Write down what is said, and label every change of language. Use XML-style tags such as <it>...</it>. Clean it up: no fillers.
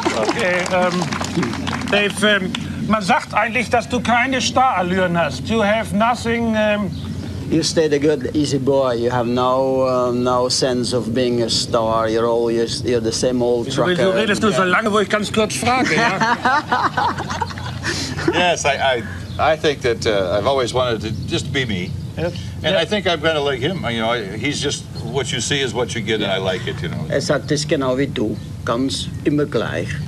<de>Okay, Dave, man sagt eigentlich, dass du keine Starallüren hast.</de> <en>You have nothing. You stayed a good, easy boy. You have no sense of being a star. You're all you're the same old trucker.</en> <de>Du redest nur so lange, wo ich ganz kurz frage. Ja?</de> <en>Yes, I think that I've always wanted to just be me. Yes. And yeah. I think I'm kind of like him. You know, he's just what you see is what you get, and I like it. You know.</en> <de>Er sagt es genau wie du, ganz immer gleich.</de>